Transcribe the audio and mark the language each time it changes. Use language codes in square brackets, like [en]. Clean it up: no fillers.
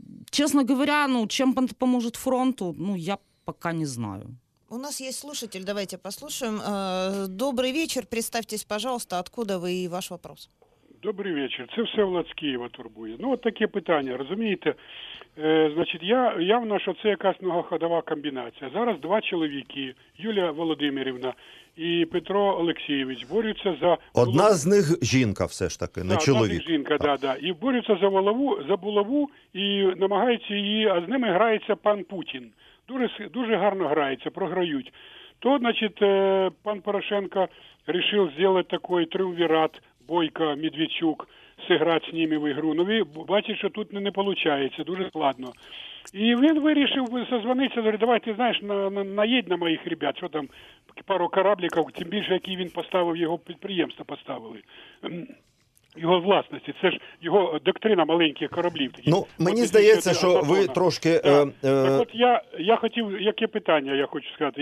[ru] Честно говоря, ну, чем поможет фронту, ну, я пока не знаю. У нас есть слушатель, давайте послушаем. Добрый вечер, представьтесь, пожалуйста, откуда вы и ваш вопрос. Добрый вечер. [uk] Це Всеволод з Києва турбує. Ну, от таке питання, розумієте? Значить, я явно, що це якась многоходова комбінація. Зараз два чоловіки, Юлія Володимирівна і Петро Олексійович, борються за... Одна з них жінка все ж таки, не чоловік. Одна з них жінка, да-да. І борються за Волову, за Булаву, і намагаються її... А з ними грається пан Путін. Дуже, дуже гарно грається, програють. То, значить, пан Порошенко рішив зробити такий триумвірат... [ru] Бойко, Медведчук, сыграть с ними в игру. Ну, вы видите, что тут не получается, [uk] дуже складно. [ru] И он решил созвониться, говорит, давайте, знаешь, наедь на моих ребят, что там, пару корабликов, тем более, какие он поставил, его предприемство поставили. [uk] Його власності, це ж його доктрина маленьких кораблів. Ну, мені здається, що ви трошки... Так от я хотів, яке питання я хочу сказати?